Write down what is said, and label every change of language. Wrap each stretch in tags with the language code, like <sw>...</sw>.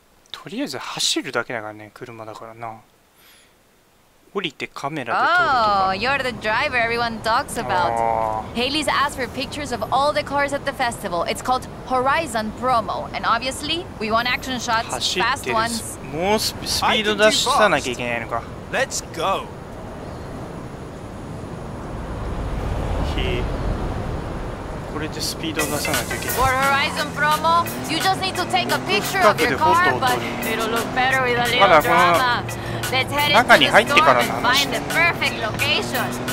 <ja>とりあえず走るだけだからね、車だからな。降りてカメラで撮るとか。</ja> <en>Oh, you're the driver everyone talks about. Haley's asked for pictures of all the cars at the festival. It's called Horizon Promo. And obviously, we want action shots, fast ones.</en> <ja>もうスピード出さなきゃいけないのか。</ja> <en>Let's go.</en> <ja>これでスピードを出さないといけない。</ja> <en>For Horizon Promo, you just need to take a picture of your car, but it'll look better with a little drama. Let's head into the storm and find the perfect location.</en>